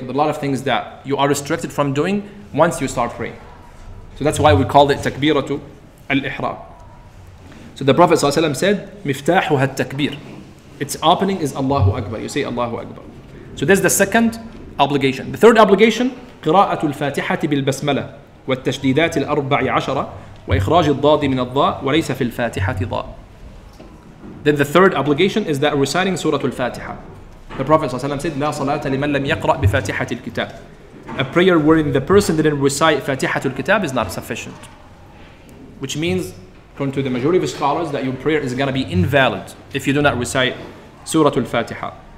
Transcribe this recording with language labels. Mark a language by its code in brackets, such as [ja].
[en] There's a lot of things that you are restricted from doing once you start praying. So that's why we call it takbiratu al-ihram. So the Prophet ﷺ said, miftahu hat-takbir. Its opening is Allahu Akbar. You say Allahu Akbar. So this is the second obligation. [ar] The third obligation, قِرَاءَةُ الْفَاتِحَةِ بِالْبَسْمَلَةِ وَالتَّشْدِيدَاتِ الْأَرْبَعِ عَشَرَةِ وَإِخْرَاجِ الضَّادِ مِنَ الضَّاءِ وَلَيْسَ فِي الْفَاتِحَةِ ضَاءٍ. [en] Then the third obligation is that reciting Surah Al-Fatiha. The Prophet ﷺ said, [ar] لَا صَلَاةَ لِمَنْ لَمْ يَقْرَأْ بِفَاتِحَةِ الْكِتَابِ. [en] A prayer wherein the person didn't recite Fatiha Al-Kitab is not sufficient. Which means, according to the majority of scholars, that your prayer is going to be invalid if you do not recite Surah Al-Fatiha.